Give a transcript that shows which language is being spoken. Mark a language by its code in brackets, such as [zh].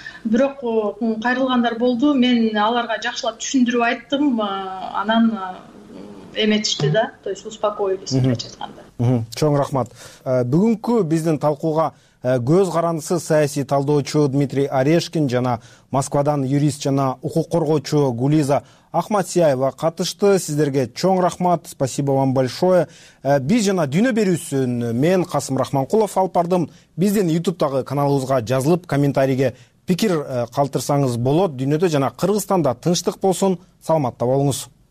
[ky] Бирок кайрылгандар болду. Мен аларга жакшылап түшүндүрүп айттым, анан эметишти да, [ru] то есть успокоились, [ky] айтканда. Чоң рахмат. Бүгүнкү биздин талкууга көз карандысы саясий талдоочу Дмитрий Орешкин жана Москвадан юрист жана укук коргоочу Гулиза Ахматсияева катышты. Сиздерге чоң рахмат, [ru] спасибо вам большое. [ky] Биз жана дүйнө берүүсүн мен Касым Рахманкулов алып бардым. Биздин YouTube-тагы каналыбызга жазылып комментарийге пикир калтырсаңыз болот. Дүйнөдө жана Кыргызстанда тынчтык болсун, саламатта болуңуз.